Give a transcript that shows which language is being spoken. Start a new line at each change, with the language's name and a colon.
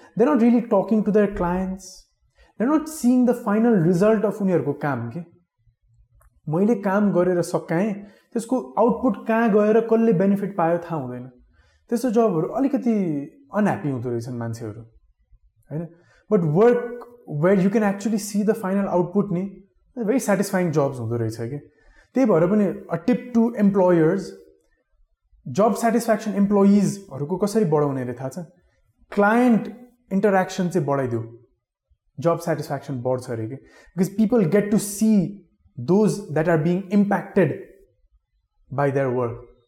English: they're not really talking to their clients, they're not seeing the final result of
Nepali: उनीहरूको काम के. मैले काम गरेर सकाएँ, त्यसको आउटपुट कहाँ गएर कसले बेनिफिट पायो थाहा हुँदैन. त्यस्तो जबहरू अलिकति अनह्याप्पी हुँदो रहेछन् मान्छेहरू होइन.
English: but work where you can actually see the final output नि, very satisfying jobs
Nepali: हुँदो रहेछ कि. त्यही भएर पनि
English: a tip to employers,
Nepali: job satisfaction इम्प्लोइजहरूको कसरी बढाउने अरे थाहा छ, क्लायन्ट इन्टरेक्सन चाहिँ बढाइदियो, जब सेटिस्फ्याक्सन बढ्छ अरे कि.
English: Because people get to see those that are being impacted by their work.